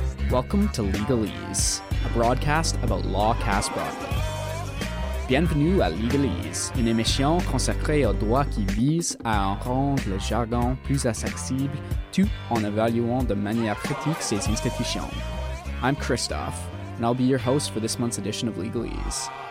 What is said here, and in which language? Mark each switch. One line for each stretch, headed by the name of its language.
English: Welcome to Legalese, a broadcast about LawCast broadly.
French: Bienvenue à Legalese, une émission consacrée aux droits qui vise à en rendre le jargon plus accessible tout en évaluant de manière critique ses institutions.
English: I'm Christoph, and I'll be your host for this month's edition of Legalese.